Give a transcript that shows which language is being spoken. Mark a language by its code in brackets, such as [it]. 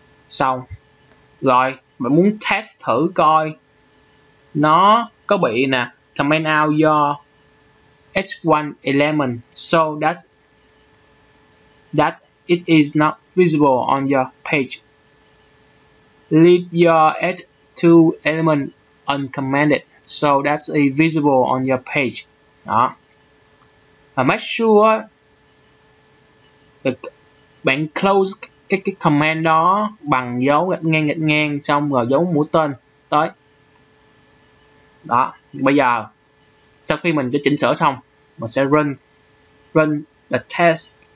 [vi] xong rồi bạn muốn test thử coi nó có bị nè [en] comment out do H1 element so that it is not visible on your page. Leave your H2 element uncommented so that it is visible on your page. [vi] Đó. Và [en] make sure [vi] bạn close cái comment đó bằng dấu gạch ngang, xong rồi dấu mũi tên tới. Đó. Bây giờ sau khi mình đã chỉnh sửa xong, mình sẽ [en] run run the test.